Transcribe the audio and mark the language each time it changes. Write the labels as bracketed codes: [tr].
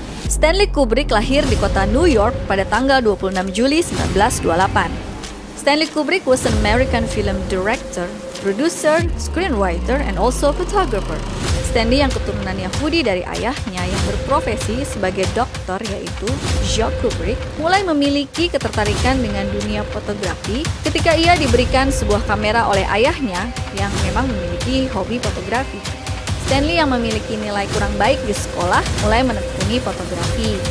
[id] Stanley Kubrick lahir di kota New York pada tanggal 26 Juli 1928. [en] Stanley Kubrick was an American film director, producer, screenwriter, and also photographer. [id] Stanley yang keturunan Yahudi dari ayahnya yang berprofesi sebagai dokter yaitu Jacques Kubrick mulai memiliki ketertarikan dengan dunia fotografi ketika ia diberikan sebuah kamera oleh ayahnya yang memang memiliki hobi fotografi. Stanley yang memiliki nilai kurang baik di sekolah mulai menekuni fotografi.